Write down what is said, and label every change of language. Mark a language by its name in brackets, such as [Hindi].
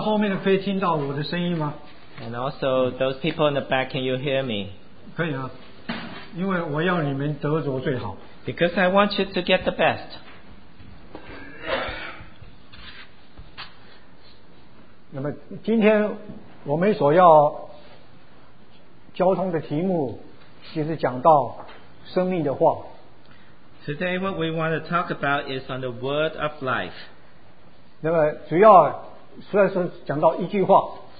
[English] also, those people in the back, can you hear me? [Chinese] 可以啊, 因为我要你们得着最好。 [English] Because I want you to get the best. Today, what we want to talk about is on the word of life. [Chinese] 那么主要虽然说讲到一句话,